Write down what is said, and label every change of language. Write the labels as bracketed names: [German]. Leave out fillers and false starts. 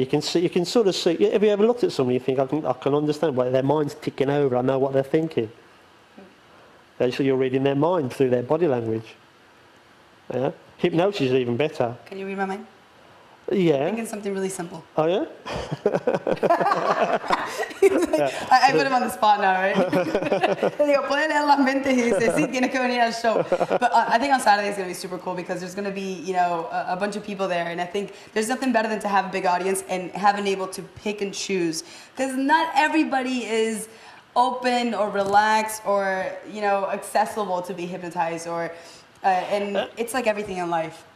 [English] You can sort of see, have you ever looked at somebody and think, I can understand why their mind's ticking over, I know what they're thinking. So you're reading their mind through their body language. Yeah? Hypnosis is even better. Can you read my mind? Yeah. I'm thinking something really simple. Oh, yeah? Like, yeah. I put him on the spot now, right? [Spanish] Digo, puede leer las mentes y dice, sí, tienes que venir al show. [English] But I think on Saturday it's going to be super cool because there's going to be, you know, a bunch of people there. And I think there's nothing better than to have a big audience and having able to pick and choose. Because not everybody is... open or relaxed or, you know, accessible to be hypnotized or and it's like everything in life.